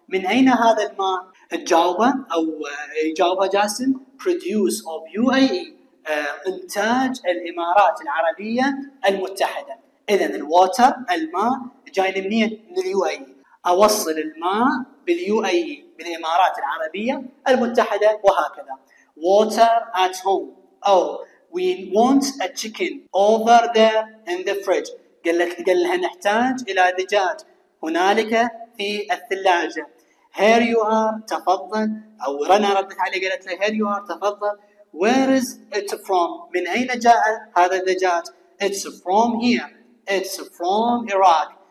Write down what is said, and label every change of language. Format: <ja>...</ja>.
<ar>من أين هذا الماء؟ الجاوبة أو جاوبة جاسم</ar> <en>produce of UAE.</en> <ar>إنتاج الإمارات العربية المتحدة. إذن الواتر الماء جاي منين؟ من اليو اي اي. اوصل الماء باليو اي اي بالامارات العربيه المتحده. وهكذا</ar> <en>water at home او we want a chicken over there in the fridge.</en> <ar>قال لها نحتاج الى دجاج هنالك في الثلاجه.</ar> <en>here you are</en> <ar>تفضل. او رنا ردت عليه قالت له</ar> <en>here you are</en> <ar>تفضل.</ar> <en>where is it from</en> <ar>من اين جاء هذا الدجاج؟</ar> <en>it's from here it's from Iraq.</en>